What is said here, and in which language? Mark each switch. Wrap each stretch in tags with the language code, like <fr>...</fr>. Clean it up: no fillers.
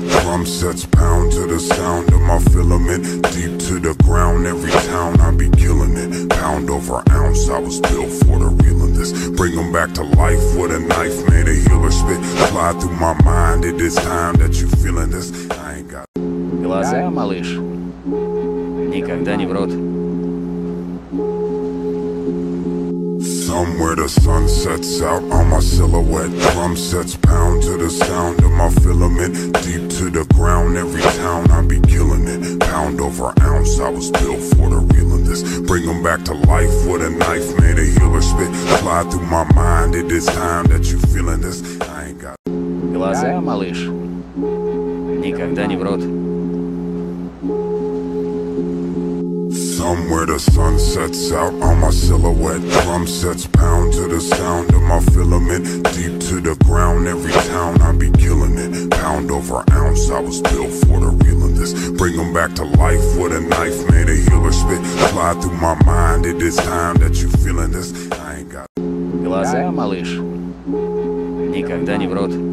<en>Drum sets pound to the sound of my filament. Deep to the ground, every town I be killing it. Pound over ounce, I was built for the real in this. Bring them back to life with a knife, made a healer spit. Fly through my mind, it is time that you feeling this. I ain't got...</en> <ru>Глаза, малыш, никогда не врут.</ru> <en>Somewhere the sun sets out on my silhouette. Drum sets pound to the sound of my filament. Deep to the ground, every town I be killing it. Pound over ounce, I was built for the real in this. Bring them back to life with a knife, made a healer spit. Fly through my mind, it is time that you feeling this. I ain't got...</en> <ru>Глаза, малыш, никогда не врут.</ru> <en>Somewhere the sun sets out on my silhouette. Drum sets pound to the sound of my filament. Deep to the ground, every town I be killing it. Pound over ounce, I was built for the real in this. Bring them back to life with a knife, made a healer spit. Fly through my mind, it is time that you feeling this. I ain't got...</en> <ru>Глаза, малыш, никогда не врут.</ru>